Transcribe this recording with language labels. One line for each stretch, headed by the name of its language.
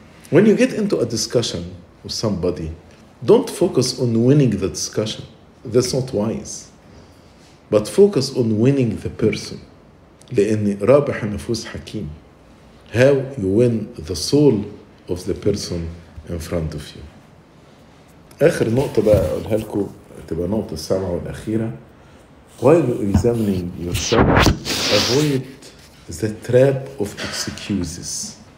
English: When you get into a discussion with somebody, don't focus on winning the discussion. That's not wise. But focus on winning the person.
Arabic: لأن رابح نفوس حكيم.
English: How you win the soul of the person in front of you.
Arabic: آخر نقطة بقى أقولها لكم, تبقى نقطة السابعة والأخيرة.
English: While examining yourself, avoid the trap of excuses.